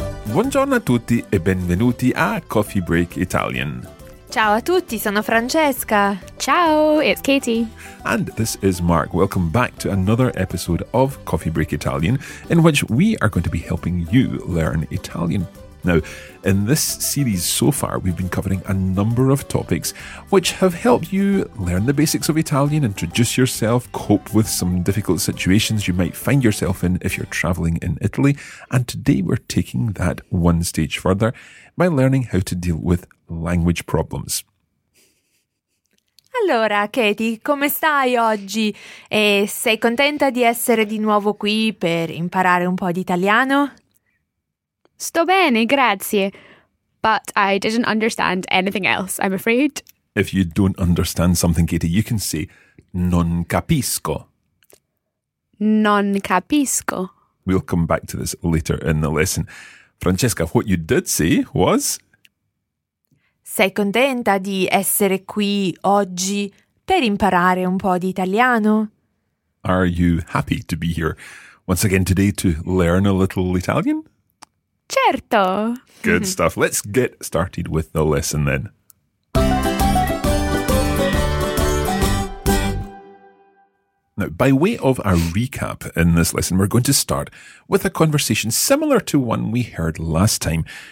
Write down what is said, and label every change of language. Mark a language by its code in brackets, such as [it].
[it] Buongiorno a tutti e benvenuti a Coffee Break Italian. Ciao a tutti, sono Francesca. [en] Ciao, it's Katie. And this is Mark. Welcome back to another episode of Coffee Break Italian, in which we are going to be helping you learn Italian. Now, in this series so far, we've been covering a number of topics which have helped you learn the basics of Italian, introduce yourself, cope with some difficult situations you might find yourself in if you're traveling in Italy. And today we're taking that one stage further by learning how to deal with language problems. [it] Allora, Katie, come stai oggi? E sei contenta di essere di nuovo qui per imparare un po' di italiano? Sto bene, grazie. [en] But I didn't understand anything else, I'm afraid. If you don't understand something, Katie, you can say, [it] non capisco. Non capisco. [en] We'll come back to this later in the lesson. Francesca, what you did say was... [it] Sei contenta di essere qui oggi per imparare un po' di italiano? [en] Are you happy to be here once again today to learn a little Italian? [it] Certo! [en] Good stuff. Let's get started with the lesson then. Now, by way of a recap in this lesson, we're going to start with a conversation similar to one we heard last time.